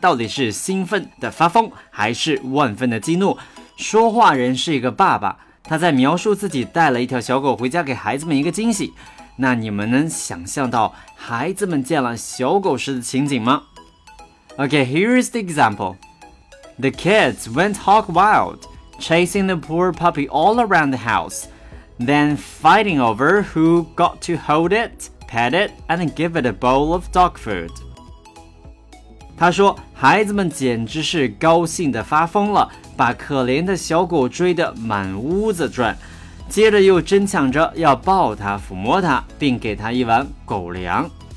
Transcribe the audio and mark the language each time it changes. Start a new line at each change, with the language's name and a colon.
Chinese: 到底是兴奋的发疯，还是万分的激怒？说话人是一个爸爸，他在描述自己带了一条小狗回家给孩子们一个惊喜。那你们能想象到孩子们见了小狗时的情景吗？
English: Okay, here is the example. The kids went hog wild, chasing the poor puppy all around the house, then fighting over who got to hold it, pet it, and give it a bowl of dog food.
Chinese: 他说，孩子们简直是高兴得发疯了，把可怜的小狗追得满屋子转，接着又争抢着要抱它、抚摸它，并给它一碗狗粮。